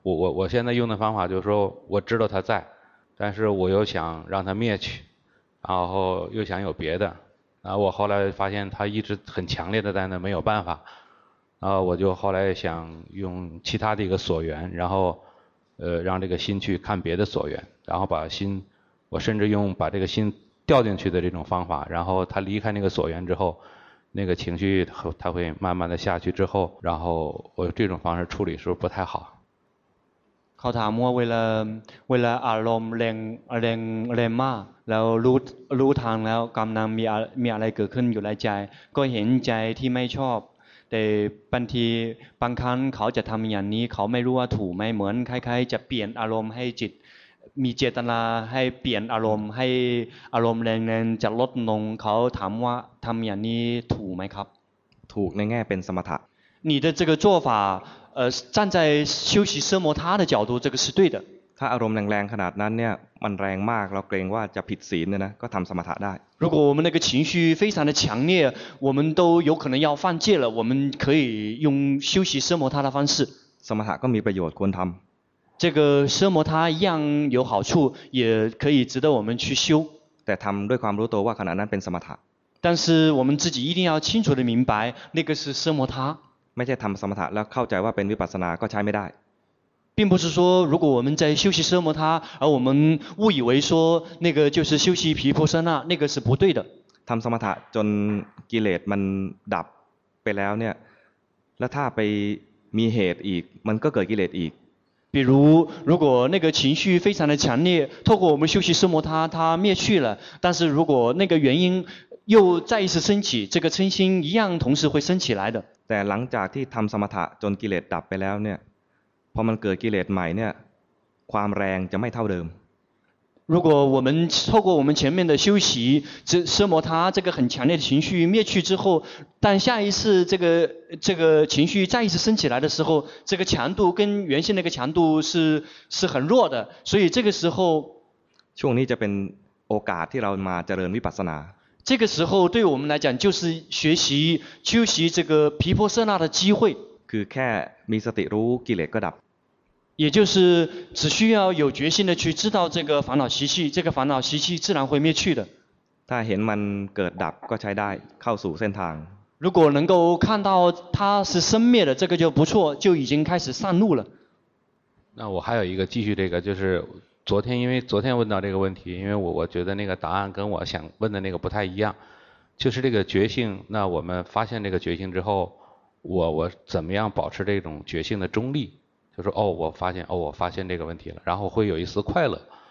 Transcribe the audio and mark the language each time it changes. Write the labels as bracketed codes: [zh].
[zh] 我现在用的方法就是说，我知道它在，但是我又想让它灭去，然后又想有别的，然后我后来发现它一直很强烈的在那，没有办法，然后我就后来想用其他的一个所缘，然后让这个心去看别的所缘，然后把心，我甚至用把这个心掉进去的这种方法，然后它离开那个所缘之后，那个情绪它会慢慢的下去之后，然后我这种方式处理是不是不太好？ [th] เขาถามว่าเวลาอารมณ์แรงมากแล้วรู้ทางแล้วกำลังมีอะไรเกิดขึ้นอยู่ในใจก็เห็นใจที่ไม่ชอบแต่บางทีบางครั้งเขาจะทำอย่างนี้เขาไม่รู้ว่าถูกไหมเหมือนคล้ายๆจะเปลี่ยนอารมณ์ให้จิตมีเจตนาให้เปลี่ยนอารมณ์ให้อารมณ์แรงๆจะลดลงเขาถามว่าทำอย่างนี้ถูกไหมครับ ถูกในแง่เป็นสมถะ [zh] 你的这个做法站在修习奢摩他的角度这个是对的 [th] ถ้าอารมณ์แรงๆขนาดนั้นเนี่ยมันแรงมากเราเกรงว่าจะผิดศีลนะก็ทำสมถะได้ [zh] 如果我们那个情绪非常的强烈我们都有可能要犯戒了我们可以用修习奢摩他的方式 [th] สมถะก็มีประโยชน์ควรทำ [zh] 这个奢摩他一样有好处也可以值得我们去修 [th] แต่ทำด้วยความรู้ตัวว่าขณะนั้นเป็นสมถะ [zh] 但是我们自己一定要清楚地明白那个是奢摩他 [th] ไม่ใช่ทำสมถะแล้วเข้าใจว่าเป็นวิปัสสนาก็ใช้ไม่ได้ [zh] 并不是说如果我们在修习奢摩他而我们误以为说那个就是修习毗婆舍那那个是不对的 [th] ทำสมถะจนกิเลสมันดับไปแล้วเนี่ยแล้วถ้าไปมีเหตุอีกมันก็เกิดกิเลสอีก [zh] 比如如果那个情绪非常的强烈透过我们修习奢摩他它灭去了但是如果那个原因又再一次升起这个嗔心一样同时会升起来的 [th] แต่หลังจากที่ทำสมถะจนกิเลสดับไปแล้วเนี่ยพอมันเกิดกิเลสใหม่เนี่ยความแรงจะไม่เท่าเดิม [zh] 如果我们透过我们前面的修习这奢摩他这个很强烈的情绪灭去之后但下一次这个情绪再一次升起来的时候这个强度跟原先那个强度是很弱的所以这个时候 [th] ช่วงนี้จะเป็นโอกาสที่เรามาเจริญวิปัสสนา [zh] 这个时候对我们来讲就是学习修习这个毗婆舍那的机会 [th] คือแค่มีสติรู้กิเลสก็ดับ [zh] 也就是只需要有决心的去知道这个烦恼习气这个烦恼习气自然会灭去的 [th] ถ้าเห็นมันเกิดดับก็ใช้ได้เข้าสู่เส้นทาง [zh] 如果能够看到它是生灭的这个就不错就已经开始上路了那我还有一个继续这个就是昨天因为昨天问到这个问题因为我觉得那个答案跟我想问的那个不太一样就是这个觉性那我们发现这个觉性之后我怎么样保持这种觉性的中立就说哦我发现哦我发现这个问题了然后会有一丝快乐